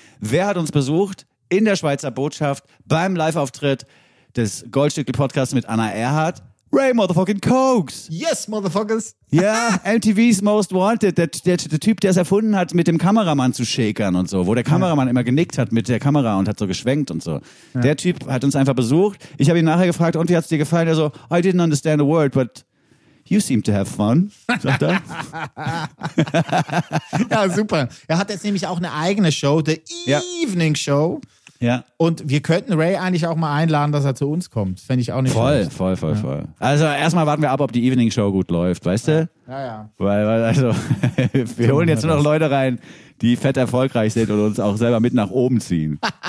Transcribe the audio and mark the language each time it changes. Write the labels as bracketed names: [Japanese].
[German] Wer hat uns besucht in der Schweizer Botschaft beim Live-Auftritt des Goldstückli-Podcasts mit Anna Erhardt? [English] Ray motherfucking Cokes. Yes, motherfuckers. [German] Ja, MTV's Most Wanted. Der Typ, der es erfunden hat, mit dem Kameramann zu shakern und so. Wo der Kameramann immer genickt hat mit der Kamera und hat so geschwenkt und so. Ja. Der Typ hat uns einfach besucht. Ich habe ihn nachher gefragt, und wie hat es dir gefallen? Er so, [English] I didn't understand a word, but you seem to have fun. [German] Sagt er. Ja, super. Er hat jetzt nämlich auch eine eigene Show, The Evening Show. Ja. Und wir könnten Ray eigentlich auch mal einladen, dass er zu uns kommt. Fände ich auch nicht voll, schlecht. Voll, voll, voll, ja. Voll. Also erstmal warten wir ab, ob die Evening Show gut läuft, weißt du? Ja, ja. Weil also wir so holen jetzt nur noch Leute rein, die fett erfolgreich sind und uns auch selber mit nach oben ziehen.